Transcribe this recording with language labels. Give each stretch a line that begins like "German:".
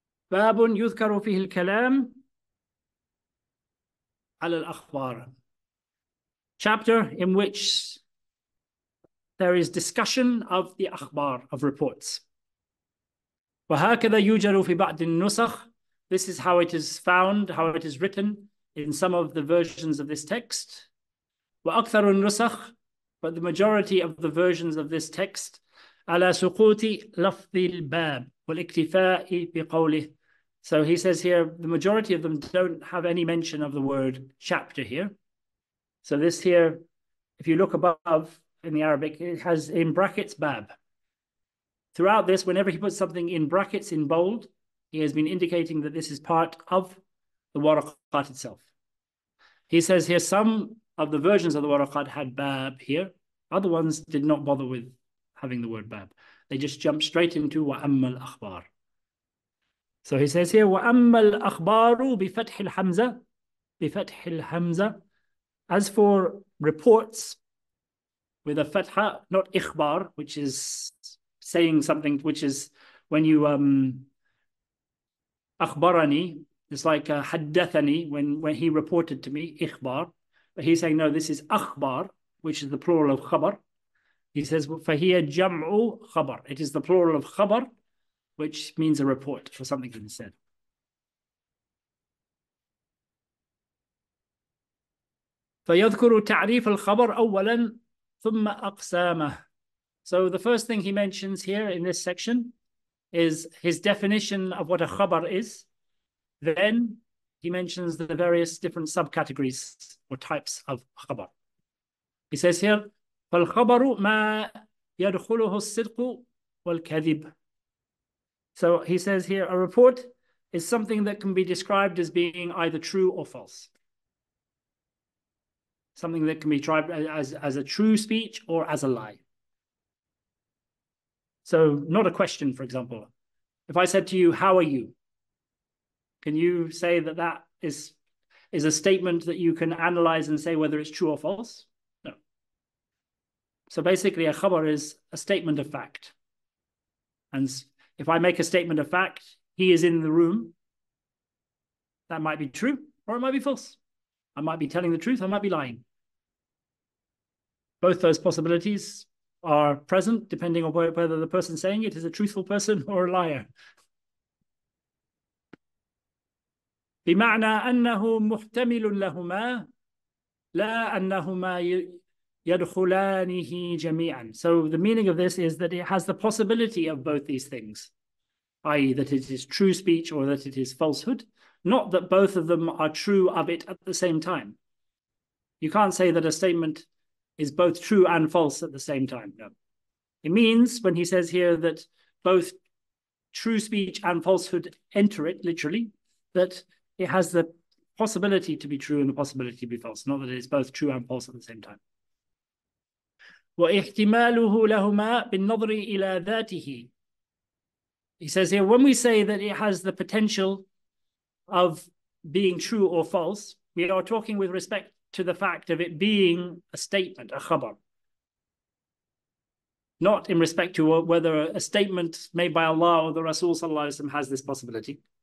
Arabic: باب يذكر فيه الكلام على الأخبار.
English: Chapter in which there is discussion of the akhbar, of reports.
Arabic: وهكذا يوجد في بعض النسخ.
English: This is how it is found, how it is written in some of the versions of this text.
Arabic: وأكثر النسخ.
English: But the majority of the versions of this text,
Arabic: على سقوط لفظ الباب والاكتفاء بقوله.
English: So he says here, the majority of them don't have any mention of the word chapter here. So this here, if you look above in the Arabic, it has in brackets bab. Throughout this, whenever he puts something in brackets in bold, he has been indicating that this is part of the waraqat itself. He says here, some of the versions of the waraqat had bab here. Other ones did not bother with having the word bab. They just jumped straight into wa amma al akhbar. So he says here,
Arabic: وَأَمَّا الْأَخْبَارُ بِفَتْحِ الْحَمْزَةِ بِفَتْحِ الْحَمْزَةِ.
English: As for reports with a fatha, not ikhbar, which is saying something, which is when you أخبرني, it's like حدثني, when he reported to me, ikhbar. But he's saying, no, this is أخبار, which is the plural of خبر. He says,
Arabic: فَهِيَ جَمْعُ خبر.
English: It is the plural of خبر, which means a report for something that is said.
Arabic: فَيَذْكُرُ تَعْرِيفَ الْخَبَرُ أَوَّلًا ثُمَّ أَقْسَامَهُ.
English: So the first thing he mentions here in this section is his definition of what a khabar is. Then he mentions the various different subcategories or types of khabar. He says here,
Arabic: فَالْخَبَرُ مَا يَدْخُلُهُ الصِّدْقُ وَالْكَذِبُ.
English: So he says here, a report is something that can be described as being either true or false. Something that can be described as a true speech or as a lie. So not a question, for example. If I said to you, how are you? Can you say that that is a statement that you can analyze and say whether it's true or false? No. So basically, a khabar is a statement of fact. And if I make a statement of fact, he is in the room, that might be true or it might be false. I might be telling the truth, I might be lying. Both those possibilities are present depending on whether the person saying it is a truthful person or a liar.
Arabic: بمعنى أنه محتمل لهما لا أنهما يدخلانه جميعا.
English: So the meaning of this is that it has the possibility of both these things, i.e. that it is true speech or that it is falsehood, not that both of them are true of it at the same time. You can't say that a statement is both true and false at the same time, no. It means, when he says here that both true speech and falsehood enter it, literally, that it has the possibility to be true and the possibility to be false, not that it is both true and false at the same time.
Arabic: وإحتماله لهما بالنظر إلى ذاته.
English: He says here, when we say that it has the potential of being true or false, we are talking with respect to the fact of it being a statement, a khabar. Not in respect to whether a statement made by Allah or the Rasul sallallahu alayhi wa sallam has this possibility.